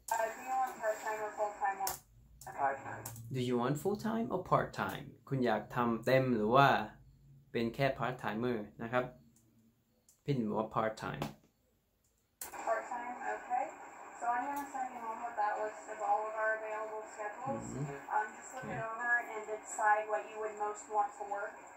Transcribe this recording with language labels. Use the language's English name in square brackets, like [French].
[English] Do you want part-time or full-time? Part-time. Do you want full-time or part-time? [Thai] คุณอยากทำเต็มหรือว่าเป็นแค่ part-timer นะครับพี่ดินบอกว่า part-time. [English] Part-time, okay. So I'm going to send you home with that list of all of our available schedules. Just look it over and decide what you would most want to work.